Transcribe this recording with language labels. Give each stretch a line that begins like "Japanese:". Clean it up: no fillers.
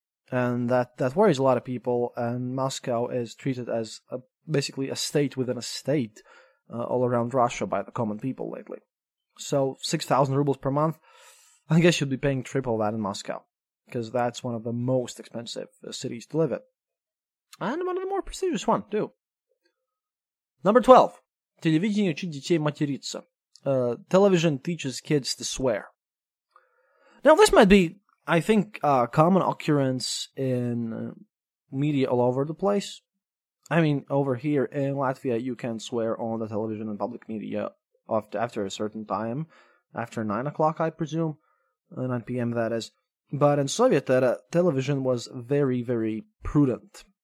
English: And that worries a lot of people, and Moscow is treated as basically a state within a state all around Russia by the common people lately. So 6,000 rubles per month, I guess you'd be paying triple that in Moscow, because that's one of the most expensive cities to live in. And one of the more prestigious ones, too. Number 12.
Russian: Телевидение учит детей материться.
English: Television teaches kids to swear. Now, this might be, I think, a common occurrence in media all over the place. I mean, over here in Latvia, you can swear on the television and public media after a certain time. After 9 o'clock, I presume. 9 p.m., that is. But in Soviet era, television was very, very prudent.